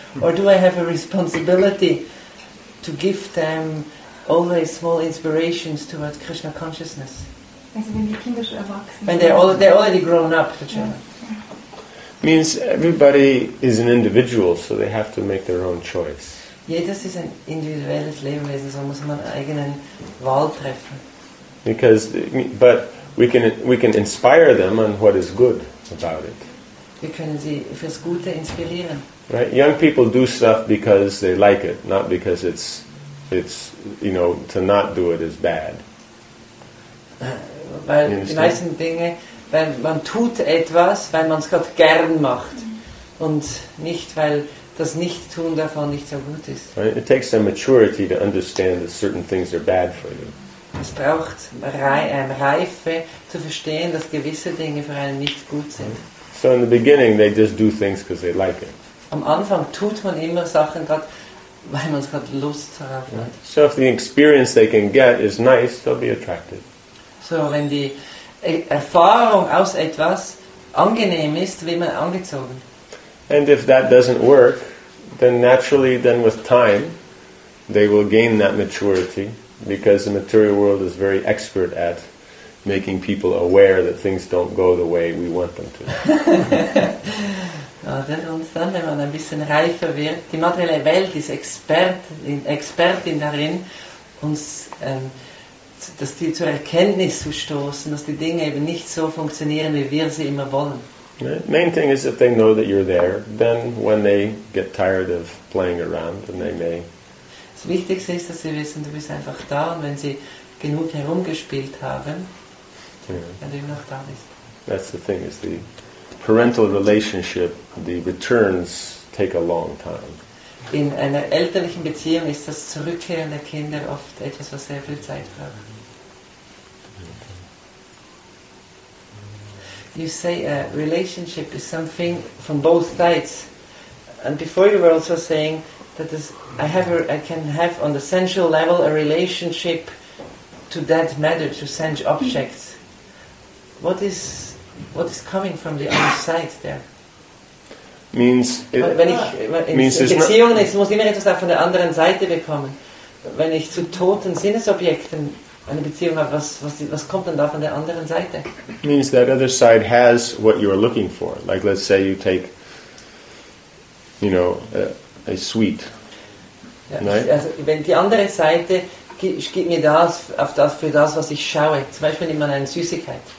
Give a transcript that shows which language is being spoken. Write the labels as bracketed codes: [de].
[en] Or do I have a responsibility to give them always small inspirations towards Krishna consciousness? They're already grown up, the children. Yes. Means everybody is an individual, so they have to make their own choice. [de] Jedes ist ein individuelles Lebewesen, so muss man eigenen Wahl treffen. [en] Because, but we can inspire them on what is good about it. [de] Wir können sie fürs Gute inspirieren. [en] Right, young people do stuff because they like it, not because it's you know, to not do it is bad. [de] Weil die meisten Dinge, weil man tut etwas, weil man es gerade gern macht und nicht, weil das Nichttun davon nicht so gut ist. [en] Right? It takes a maturity to understand that certain things are bad for you. [de] Es braucht Reife zu verstehen, dass gewisse Dinge für einen nicht gut sind. [en] So in the beginning they just do things because they like it. [de] Am Anfang tut man immer Sachen gerade, weil man es gerade Lust darauf hat. [en] Right? So if the experience they can get is nice, they'll be attracted. [de] So, wenn die Erfahrung aus etwas angenehm ist, wird man angezogen. [en] And if that doesn't work, then naturally, then with time, they will gain that maturity, because the material world is very expert at making people aware that things don't go the way we want them to. [de] Und dann, wenn man ein bisschen reifer wird, die materielle Welt ist Expertin darin, uns dass die zur Erkenntnis zu stoßen, dass die Dinge eben nicht so funktionieren, wie wir sie immer wollen. [en] The main thing is if they know that you're there, then when they get tired of playing around, then they may. [de] Das Wichtigste ist, dass sie wissen, du bist einfach da, und wenn sie genug herumgespielt haben, wenn du immer noch da bist. [en] That's the thing, is the parental relationship, the returns take a long time. [de] In einer elterlichen Beziehung ist das Zurückkehren der Kinder oft etwas, was sehr viel Zeit braucht. [en] You say a relationship is something from both sides. And before you were also saying that I can have on the sensual level a relationship to that matter, to sense objects. What is coming from the other side there? [de] Muss immer etwas von der anderen Seite bekommen. Wenn ich zu toten Sinnesobjekten eine Beziehung habe, was kommt dann da von der anderen Seite? [en] Means that other side has what you are looking for. Like let's say you take, you know, a sweet. [de] Ja, [en] right? [de] Also wenn die andere Seite gibt mir das auf das für das, was ich schaue. Zum Beispiel nimmt man eine Süßigkeit.